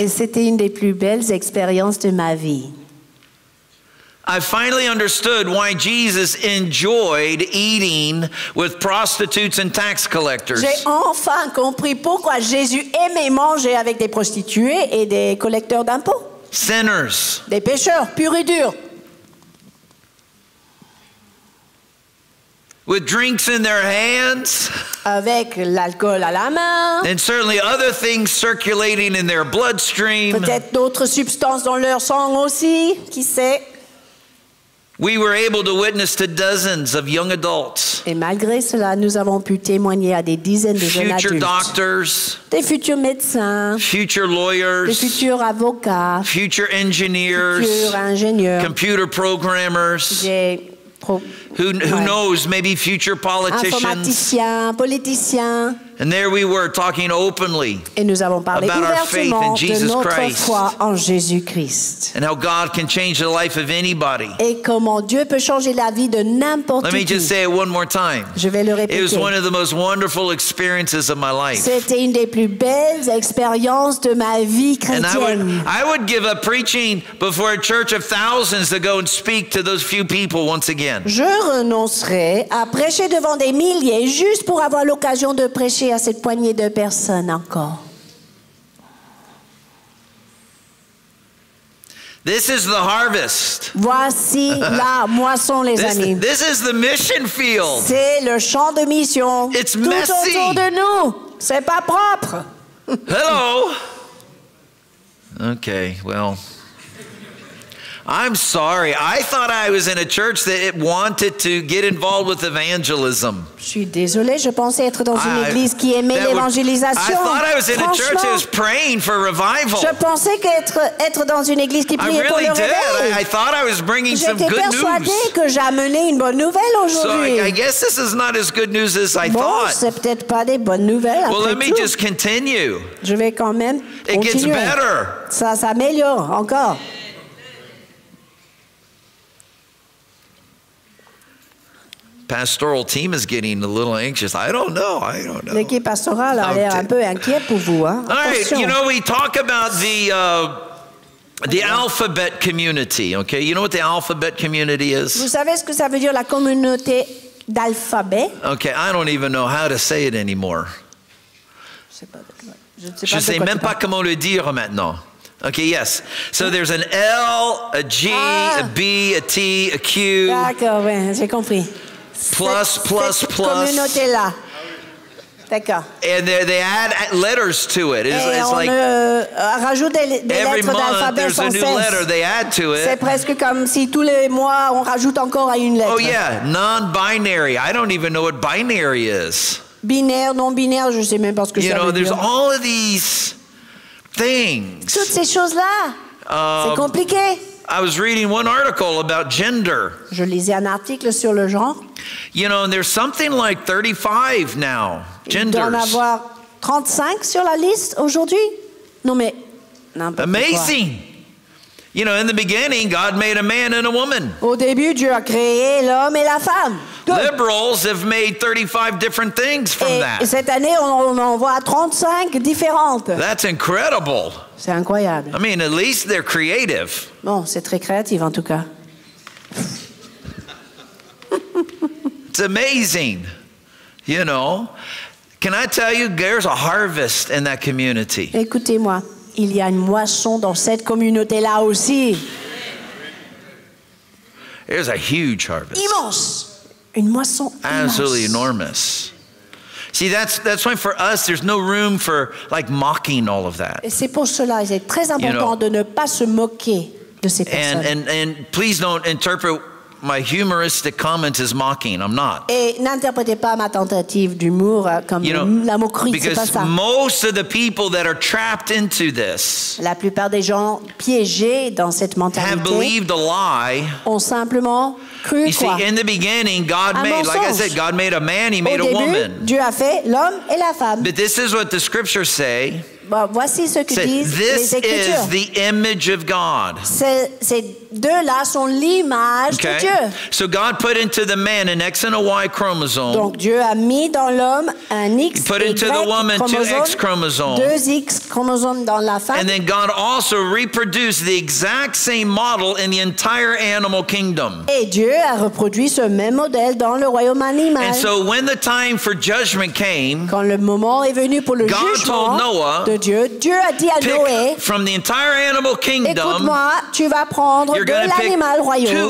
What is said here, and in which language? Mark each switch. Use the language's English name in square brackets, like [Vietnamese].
[French] Et c'était une des plus belles expériences de ma vie. [English] I finally understood why Jesus enjoyed eating with prostitutes and tax collectors. [French] J'ai enfin compris pourquoi Jésus aimait manger avec des prostituées et des collecteurs d'impôts. [English] Sinners. [French] Des pécheurs purs et durs. [English] With drinks in their hands. [French] Avec l'alcool à la main. [English] And certainly other things circulating in their bloodstream. [French] Peut-être d'autres substances dans leur sang aussi, qui sait. [English] We were able to witness to dozens of young adults. [French] Et malgré cela, nous avons pu témoigner à des dizaines de jeunes adultes. [English] Future doctors. [French] Des futurs médecins. [English] Future lawyers. [French] Des futurs avocats. [English] Future engineers. [French] Futurs ingénieurs. [English] Computer programmers. Who knows, maybe future politicians. [French] Informaticiens, politiciens. [English] And there we were talking openly. [French] Et nous avons parlé [English] about [French] ouvertement [English] our faith in Jesus [French] de notre [English] Christ. [French] Foi en Jésus-Christ. [English] And how God can change the life of anybody. [French] Et comment Dieu peut changer la vie de n'importe [English] Let [French] qui. [English] Me just say it one more time. [French] Je vais le répéter. [English] It was one of the most wonderful experiences of my life. [French] C'était une des plus belles expériences de ma vie chrétienne. [English] And I would give up preaching before a church of thousands to go and speak to those few people once again. [French] Je renoncerais à prêcher devant des milliers juste pour avoir l'occasion de prêcher à cette poignée de personnes encore. [English] This is the harvest. [French] Voici la moisson, les amis. [English] This is the mission field. [French] C'est le champ de mission. [English] It's [French] tout [English] messy. [French] Autour de nous. C'est pas propre. [English] Hello. Okay, well. I'm sorry. I thought I was in a church that it wanted to get involved with evangelism. [French] Je suis désolée. Je pensais être dans une église qui aimait l'évangélisation. [English] I thought I was in a church that was praying for revival. [French] Je pensais qu'être dans une église qui priait pour le réveil. [English] I thought I was bringing [French] J'étais [English] some good news. [French] J'étais persuadée que j'amenais une bonne nouvelle aujourd'hui. [English] So I guess this is not as good news as I thought. [French] Bon, c'est peut-être pas des bonnes nouvelles. [English] Well, [French] après [English] let me [French] tout. [English] Just continue. [French] Je vais quand même [English] it [French] continuer. [English] Gets better. [French] Ça s'améliore encore. [English] Pastoral team is getting a little anxious. I don't know. [French] L'équipe pastorale a l'air un peu inquiète pour vous, hein? [English] All right, you know, we talk about the alphabet community, okay? You know what the alphabet community is? [French] Vous savez ce que ça veut dire, la communauté d'alphabet? [English] Okay, I don't even know how to say it anymore. [French] Je ne sais même pas comment le dire maintenant. [English] Okay, yes. So there's an L, a G, a B, a T, a Q. [French] D'accord, ben, j'ai compris. [English] Plus, plus, plus. [French] Cette communauté-là. D'accord. [English] And they add letters to it. It's [French] on [English] like [French] rajoute des [English] every [French] lettres [English] month there's a new letter they add to it. [French] C'est presque comme si tous les mois on rajoute encore à une lettre. [English] Oh yeah, non-binary. I don't even know what binary is. [French] Binaire, non-binaire, je sais même pas ce que [English] you [French] ça [English] know, [French] veut dire. [English] You know, there's all of these things. [French] Toutes ces choses-là. C'est compliqué. [English] I was reading one article about gender. [French] Je lisais un article sur le genre. [English] You know, and there's something like 35 now. Genders. [French] Il doit en avoir 35 sur la liste aujourd'hui. Non mais n'importe quoi. [English] Amazing. You know, in the beginning, God made a man and a woman. [French] Au début, Dieu a créé l'homme et la femme. [English] Good. Liberals have made 35 different things from [French] et [English] that. [French] Et cette année, on en voit 35 différentes. [English] That's incredible. [French] C'est incroyable. [English] I mean, at least they're creative. [French] Bon, c'est très créatif en tout cas. [English] It's amazing. You know, can I tell you, there's a harvest in that community. [French] Écoutez-moi, il y a une moisson dans cette communauté-là aussi. [English] There's a huge harvest. [French] Immense. Une moisson immense. [English] Absolutely enormous. See, that's why for us, there's no room for, like, mocking all of that. [French] Et c'est pour cela, c'est très important de ne pas se moquer de ces personnes. [English] And please don't interpret my humoristic comment is mocking. I'm not. [French] Et n'interprétez pas ma tentative d'humour comme la moquerie. C'est pas ça. [English] Because most of the people that are trapped into this, [French] la plupart des gens piégés dans cette mentalité, [English] have believed a lie. [French] Ont simplement cru quoi? [English] You see, in the beginning, God made, like I said, God made a man. He made a woman. [French] Au début, Dieu a fait l'homme et la femme. [English] But this is what the scriptures say. [French] Bon, voici ce que disent les Écritures. [English] This is the image of God. [French] Ces deux-là sont l'image de Dieu. [English] So God put into the man an X and a Y chromosome. [French] Donc Dieu a mis dans l'homme un X et un Y chromosome. [English] Put into the woman two X chromosomes. [French] Deux X chromosomes dans la femme. [English] And then God also reproduced the exact same model in the entire animal kingdom. [French] Et Dieu a reproduit ce même modèle dans le royaume animal. [English] And so when the time for judgment came, [French] quand le moment est venu pour le jugement, [English] God told Noah. [French] De Dieu. Dieu a dit à [English] pick [French] Noé, [English] from the entire animal kingdom, [French] écoute-moi, tu vas prendre de l'animal royaume,